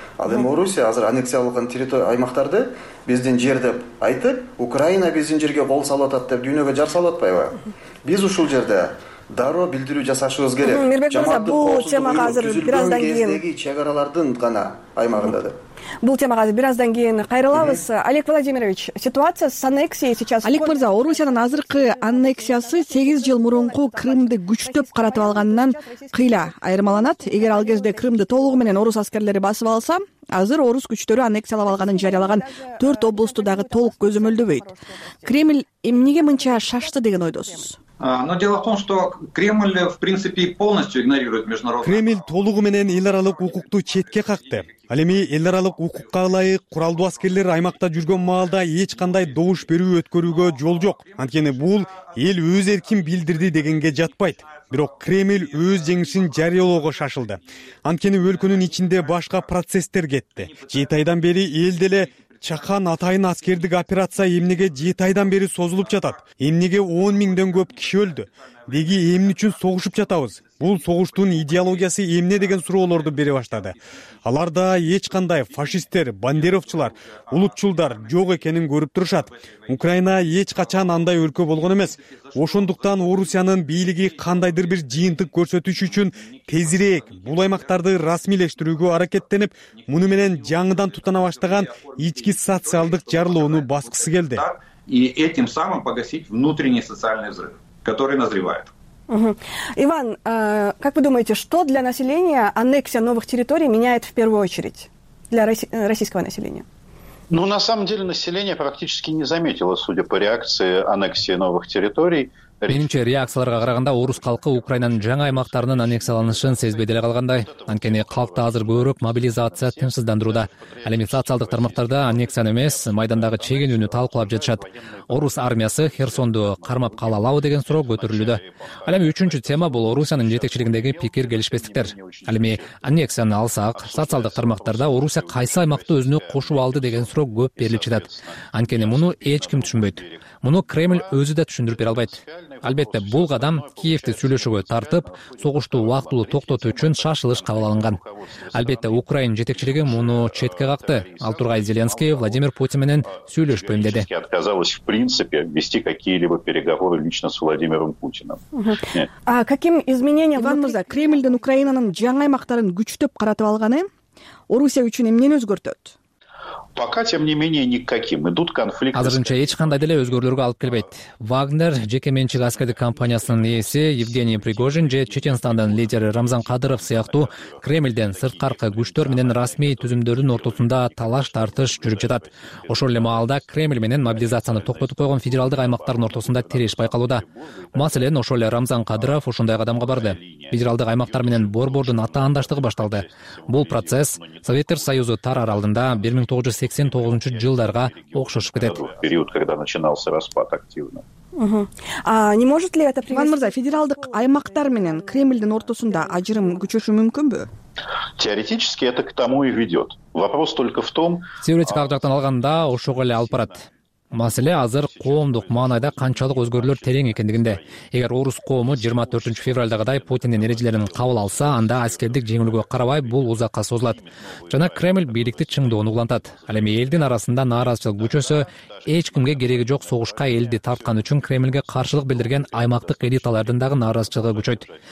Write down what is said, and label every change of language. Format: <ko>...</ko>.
<ky>Ал эми Орусия азыр аннексиялаган территория аймактарды биздин жер деп айтып, Украина биздин жерге кол салып атат деп дүйнөгө жар салып атпайбы? Биз ушул жерде дароо билдирүү жасашыбыз керек. Мирбек Мырза, бул темага азыр бир аздан кийин чек аралардын гана аймагында да. Бул темага азыр бир аздан кийин кайрылабыз.</ky> <ru>Олег Владимирович, ситуация с аннексией сейчас.</ru> <ky>Олег Мырза, Орусиянын азыркы аннексиясы 8 жыл мурунку Крымды күчтөп каратып алгандан кыйла айырмаланат. Эгер ал кезде Крымды толугу менен орус аскерлери басып алса, азыр орус күчтөрү аннексиялап алганын жарыялаган 4 областты дагы толук көзөмөлдөбөйт. Кремль эмнеге мынча шашты деген ойдосуз?</ky> <ru>Но дело в том, что Кремль в принципе полностью игнорирует международные.</ru> <ky>Кремль толугу менен эл аралык укукту четке какты. Ал эми эл аралык укукка ылайык куралдуу аскерлер аймакта жүргөн маалда эч кандай добуш берүү өткөрүүгө жол жок. Анткени бул эл өз эркин билдирди дегенге жатпайт. Бирок Кремль өз жеңишин жарыялоого шашылды. Анткени өлкөнүн ичинде башка процесстер кетти. Жети айдан бери эл деле Чакан атайын аскердик операция эмнеге жети айдан бери созулуп жатат? Эмнеге 10 000 көп киши өлдү? Деги эмне үчүн согушуп жатабыз? Бул согуштун идеологиясы эмне деген суроолорду бере баштады. Алар да эч кандай фашисттер, бандеровчулар, улутчулдар жок экенин көрүп турушат. Украина эч качан андай өлкө болгон эмес. Ошондуктан Орусиянын бийлиги кандайдыр бир жыйынтык көрсөтүш үчүн тезирээк бул аймактарды расмийлештирүүгө аракеттенип, муну менен жаңыдан тутана баштаган ички социалдык жарылууну баскысы келди.</ky> <ru>И этим самым погасить внутренний социальный взрыв, который назревает. Иван, как вы думаете, что для населения аннексия новых территорий меняет в первую очередь для российского населения? Ну, на самом деле, население практически не заметило, судя по реакции аннексии новых территорий.</ru> <ky>Менимче реакцияларга караганда орус халкы Украинанын жаңы аймактарынын аннексияланышын сезбей деле калгандай. Анткени халкта азыр көбүрөөк мобилизация тынчсыздандырууда. Ал эми социалдык тармактарда аннексияны эмес, майдандагы чегинүүнү талкуулап жатышат. Орус армиясы Херсонду кармап кала алабы деген суроо көтөрүлүүдө. Ал эми үчүнчү тема бул Орусиянын жетекчилигиндеги пикир келишпестиктер. Ал эми аннексияны алсак, социалдык тармактарда Орусия кайсы аймакты өзүнө кошуп алды деген суроо көп берилип жатат. Анткени муну эч ким түшүнбөйт. Муну Кремль өзү да түшүндүрүп бере албайт. Албетте, бул кадам Киевти сүйлөшүүгө тартып, согушту убактылуу токтотуу үчүн шашылыш кабыл алынган. Албетте, Украина жетекчилиги муну четке какты. Ал тургай Зеленский Владимир Путин менен сүйлөшпөйм деди.</ky> <ru>Отказалась в принципе вести какие-либо переговоры лично с Владимиром Путиным. А каким изменениям</ru> <ky>Иван Муза, Кремлдин Украинанын жаңы аймактарын күчтөп каратып алганы Орусия үчүн эмнени өзгөртөт?</ky> <ru>Пока, тем не менее, никаким. Идут конфликты.</ru> <ky>Азырынча эч кандай деле өзгөрүүлөргө алып келбейт. Вагнер жеке менчик аскердик компаниясынын ээси Евгений Пригожин же Чеченстандын лидери Рамзан Кадыров сыяктуу Кремлден сырткаркы күчтөр менен расмий түзүмдөрдүн ортосунда талаш тартыш жүрүп жатат. Ошол эле маалда Кремль менен мобилизацияны токтотуп койгон федералдык аймактардын ортосунда тиреш байкалууда. Маселен, ошол эле Рамзан Кадыров ушундай кадамга барды. Федералдык аймактар менен борбордун атаандаштыгы башталды. Бул процесс Советтер Союзу тарар алдында 1989-жылдарга окшош кетет.</ky> <ru>Период, когда начинался распад активно. А не может ли это привести?</ru> <ky>Иван Мырза, федералдык аймактар менен Кремлдин ортосунда ажырым күчөшү мүмкүнбү?</ky> <ru>Теоретически это к тому и ведет. Вопрос только в том.</ru> <ky>Теоретикалык жактан алганда ошого эле алып барат. Маселе азыр коомдук маанайда канчалык өзгөрүүлөр терең экендигинде. Эгер орус коому 24 февралдагыдай Путиндин эрежелерин кабыл алса, анда аскердик жеңилүүгө карабай бул узакка созулат. Жана Кремль бийликти чыңдоону улантат. Ал эми элдин арасында нааразычылык күчөсө, эч кимге кереги жок согушка элди тарткан үчүн Кремльге каршылык билдирген аймактык элиталардын дагы нааразычылыгы күчөйт.</ky>